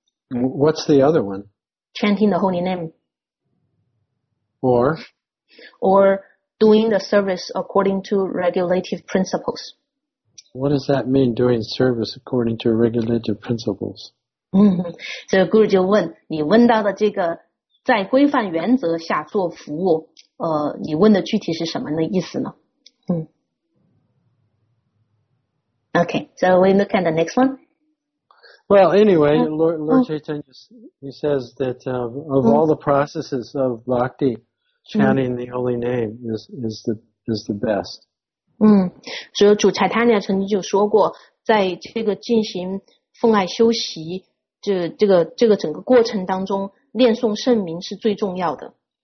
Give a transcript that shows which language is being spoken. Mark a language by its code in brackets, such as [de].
[en] What's the other one? Chanting the holy name. Or doing the service according to regulative principles. What does that mean, doing service according to regulative principles? [zh] So Guru 就问你问到的这个在规范原则下做服务，你问的具体是什么的意思呢？嗯。 [en] Okay, so we look at the next one. Well, anyway, Lord Chaitanya, he says that of all the processes of bhakti, chanting the holy name is the best. [zh] 嗯，所以主 Chaitanya 曾经就说过，在这个进行奉爱修习这个整个过程当中，念诵圣名是最重要的。